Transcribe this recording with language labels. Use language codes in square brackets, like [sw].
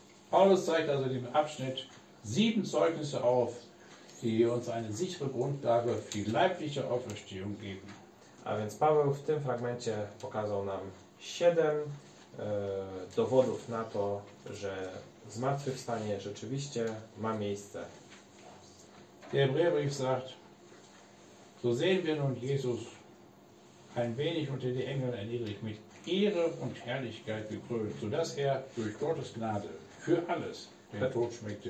[de] Paulus zeigt also in dem Abschnitt sieben Zeugnisse auf, die uns eine sichere Grundlage für die leibliche Auferstehung geben. [pl] A więc Paweł w tym fragmencie pokazał nam 7 dowodów na to, że zmartwychwstanie rzeczywiście ma miejsce. [de] Der Hebräerbrief sagt, so sehen wir nun Jesus ein wenig unter die Engel erniedrigt, mit Ehre und Herrlichkeit gekrönt, sodass durch Gottes Gnade für alles den Tod schmeckte.